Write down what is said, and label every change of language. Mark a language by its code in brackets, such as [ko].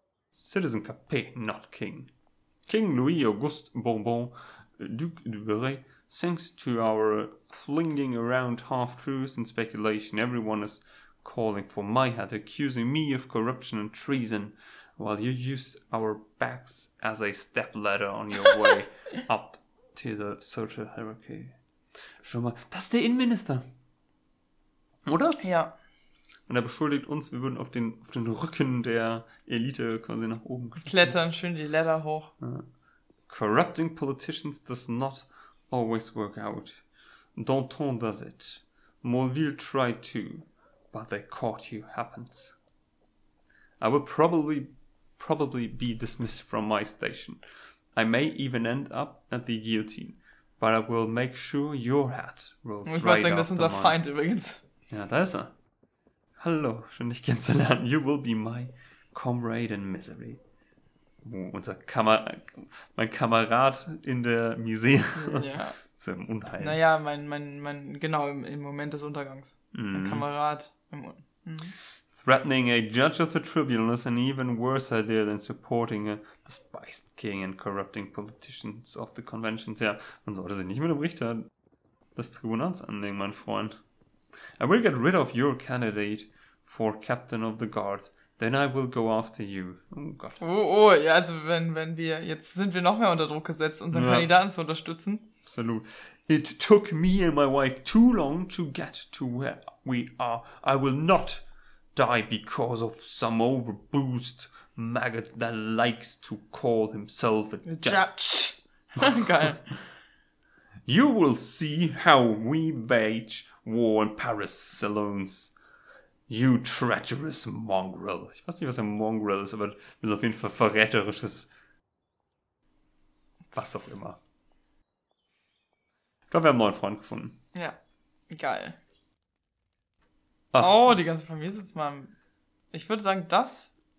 [en] Citizen Capet, not King. King Louis Auguste Bourbon, Duc de Berry, thanks to our flinging around half-truths and speculation, everyone is calling for my head, accusing me of corruption and treason, while you used our backs as a stepladder on your way up to the social hierarchy. [de] Schon mal, das ist der Innenminister. Oder? Ja. Und er beschuldigt uns, wir würden auf den Rücken der Elite quasi nach oben klettern, schön die Leiter hoch. [en] Corrupting politicians does not always work out. Danton does it. Morville tried to, but they caught you, happens. I will probably be dismissed from my station. I may even end up at the guillotine. But I will make sure your hat rolls right. [de] Ich wollte sagen, das ist unser Feind übrigens. Ja, da ist er. Hallo, schön dich kennenzulernen. [en] You will be my comrade in misery. [de] Mein Kamerad in der Misere. Ja. So im Unheil. Naja, mein genau, im Moment des Untergangs. Mein Kamerad im [en] Threatening a judge of the tribunal is an even worse idea than supporting a despised king and corrupting politicians of the conventions. [de] Ja, man sollte sich nicht mit dem Richter des Tribunals anlegen, mein Freund. [en] I will get rid of your candidate for captain of the guard. Then I will go after you. [de] Oh Gott. Oh, ja, also wenn wir, jetzt sind wir noch mehr unter Druck gesetzt, unseren Kandidaten zu unterstützen. Absolut. [en] It took me and my wife too long to get to where we are. I will not die because of some overboost maggot that likes to call himself a judge. [de] Geil. [en] You will see how we wage war in Paris saloons. You treacherous mongrel. [de] Ich weiß nicht, was ein Mongrel ist, aber das ist auf jeden Fall verräterisches. Was auch immer. Ich glaube, wir haben einen neuen Freund gefunden. Ja, geil. Ach. Oh, die ganze Familie sitzt mal im... Ich würde sagen, das...